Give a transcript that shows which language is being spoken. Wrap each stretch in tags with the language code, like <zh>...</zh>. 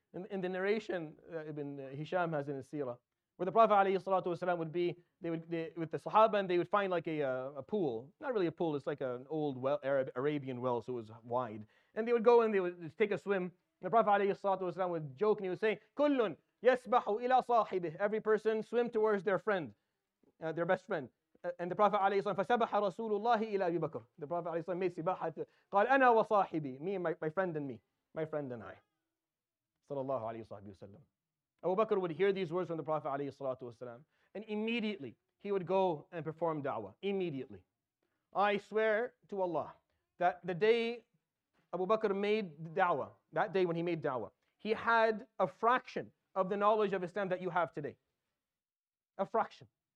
<en>In the narration that Ibn Hisham has in his seerah, where the Prophet ﷺ would be, they would with the Sahaba, and they would find like a pool. Not really a pool, it's like an old well, Arabian well, so it was wide. And they would go and they would take a swim. And the Prophet ﷺ would joke and he would say,</en> <ar>Kullun yasbahu ila sahibih.</ar> <en>Every person swim towards their friend, their best friend. And the Prophet ﷺ,</en> <ar>فَسَبَحَ رَسُولُ اللَّهِ إِلَىٰ أَبِي بَكْرٍ.</ar> <en>The Prophet ﷺ made sibaha,</en> <ar>قَالْ أَنَا وَصَاحِبِي.</ar> <en>Me and my friend and me. My friend and I. Sallallahu alayhi wa sallam. Abu Bakr would hear these words from the Prophet alayhi salatu wasalam, and immediately he would go and perform da'wah. Immediately. I swear to Allah that the day Abu Bakr made da'wah, that day when he made da'wah, he had a fraction of the knowledge of Islam that you have today. A fraction.</en>